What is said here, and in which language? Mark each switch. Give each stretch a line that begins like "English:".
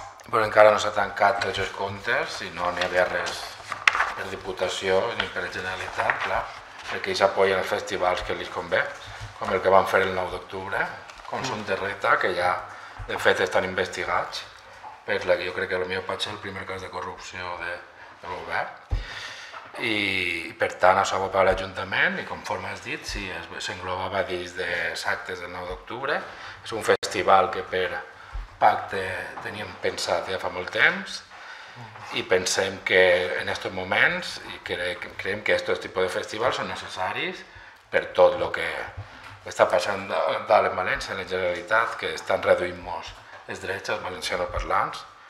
Catalan: Però encara no s'ha tancat tots els comptes i no n'hi havia res per Diputació ni per Generalitat, clar, perquè ells apoyen els festivals que els convé, com el que van fer el 9 d'octubre, Consum de Reta, que ja de fet estan investigats,
Spanish: Pues la que yo creo que lo mío va a ser el primer caso de corrupción del govern.
Catalan: I, per tant, això va per a l'Ajuntament i, conforme has dit, sí, s'englobava dins de les actes del 9 d'octubre. És un festival que per pacte teníem pensat ja fa molt temps i pensem que en aquests moments i creiem que aquests tipus de festivals són necessaris per tot el que està passant dalt en València, en la Generalitat, que estan reduint molts els drets als valencianos parlants.